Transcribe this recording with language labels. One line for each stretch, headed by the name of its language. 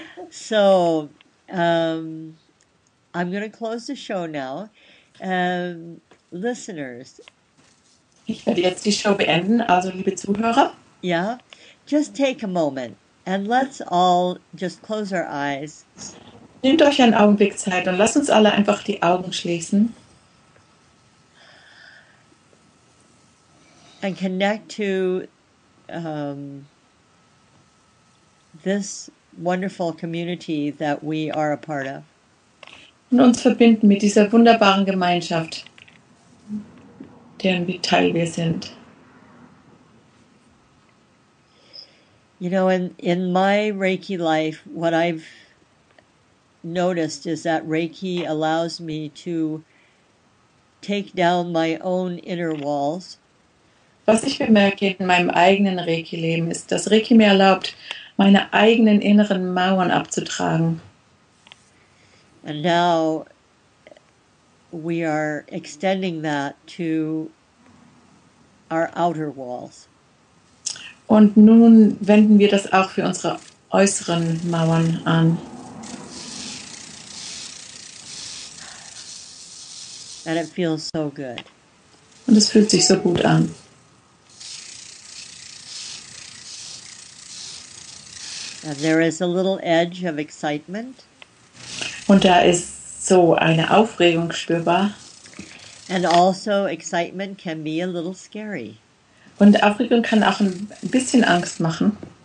English: So, I'm going to close the show now. Listeners.
German: Ich werde jetzt die Show beenden, also liebe Zuhörer.
English: Yeah, just take a moment and let's all just close our eyes.
German: Nehmt euch einen Augenblick Zeit und lasst uns alle einfach die Augen schließen.
English: And connect to this wonderful community that we are a part of.
German: Und uns verbinden mit dieser wunderbaren Gemeinschaft, deren Teil wir sind.
English: You know, in my Reiki life, what I've noticed is that Reiki allows me to take down my own inner walls.
German: Was ich bemerke in meinem eigenen Reiki-Leben ist, dass Reiki mir erlaubt, meine eigenen inneren Mauern abzutragen.
English: And now we are extending that to our outer walls.
German: Und nun wenden wir das auch für unsere äußeren Mauern an.
English: And it feels so good.
German: Und es fühlt sich so gut an.
English: And there is a little edge of excitement.
German: Und da ist so eine Aufregung spürbar.
English: And also excitement can be a little scary.
German: Und Aufregung kann auch ein bisschen Angst machen.